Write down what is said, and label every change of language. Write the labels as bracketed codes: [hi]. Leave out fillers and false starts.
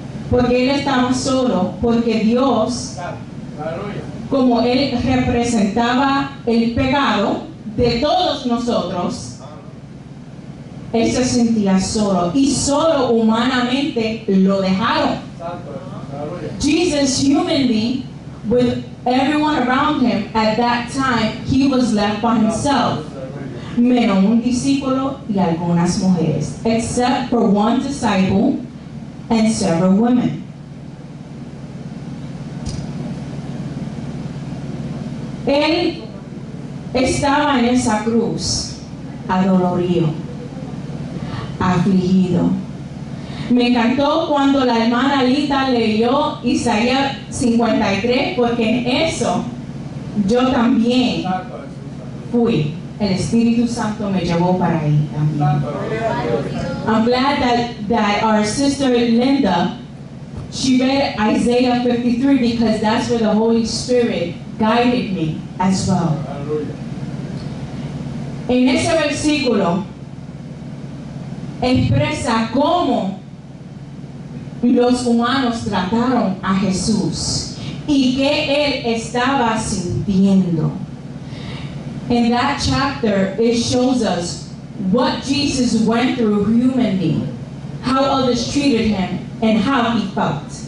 [es] Porque él estaba solo, porque Dios, como él representaba el pecado de todos nosotros, él se sentía solo. Y solo humanamente lo dejaron. [en] Jesus humanly, with everyone around him at that time, he was left by himself. [es] Menos un discípulo y algunas mujeres. [en] Except for one disciple and several women. [es] Él estaba en esa cruz, adolorido, afligido. Me encantó cuando la hermana Lita leyó Isaías 53, porque en eso yo también fui. El Espíritu Santo me llevó para ahí también. [en] I'm glad that our sister Linda She read Isaiah 53 because that's where the Holy Spirit guided me as well. [es] En ese versículo expresa cómo los humanos trataron a Jesús y qué él estaba sintiendo. [en] In that chapter, it shows us what Jesus went through humanly, how others treated him, and how he felt.